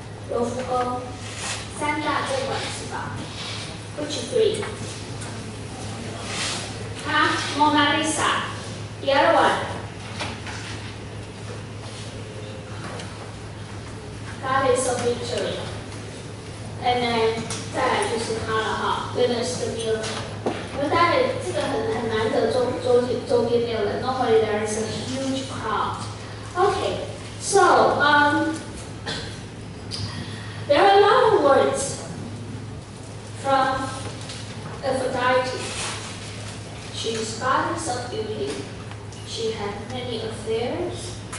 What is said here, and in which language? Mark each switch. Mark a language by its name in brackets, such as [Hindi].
[Chinese] Louvre, 三大镇馆之吧? [English] Which three? 他 Mona Lisa, the other one, Goddess of Victory, and then [Chinese] 再来就是他了哈, [English] Venus the Milo. [Chinese] 因为大概这个很难得周边没有人, [English] normally there is a huge crowd. Okay, so there are a lot of words from Aphrodite. She is goddess of beauty. She had many affairs.